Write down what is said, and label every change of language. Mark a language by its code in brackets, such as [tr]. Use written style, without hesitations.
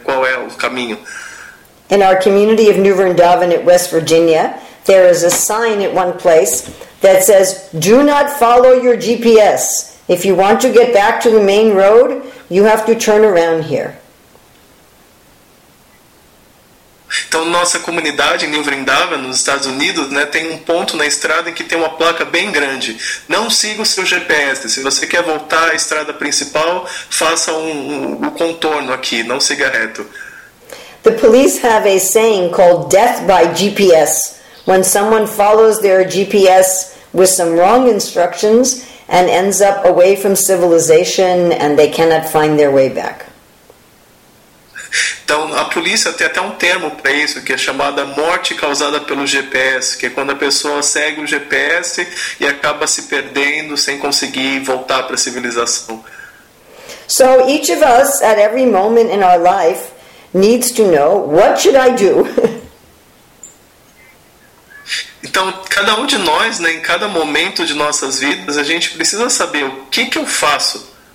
[pt] Qual é o caminho. [en] In our community of New Vrindavan at West Virginia, there is a sign at one place that says, "Do not follow your GPS. If you want to get back to the main road, you have to turn around here." [pt] Então, nossa comunidade em New Vrindavan, nos Estados Unidos, né, tem um ponto na estrada em que tem uma placa bem grande. Não siga o seu GPS. Se você quer voltar à estrada principal, faça um contorno aqui, não siga reto. [en] The police have a saying called death by GPS. When someone follows their GPS with some wrong instructions and ends up away from civilization and they cannot find their way back. [pt] Então, a polícia tem até um termo para isso, que é chamada morte causada pelo GPS, que é quando a pessoa segue o GPS e acaba se perdendo sem conseguir voltar para a civilização. [en] So, each of us, at every moment in our life, needs to know, what should I do? [pt] Então, cada um de nós, né, em cada momento de nossas vidas, a gente precisa saber o que eu faço.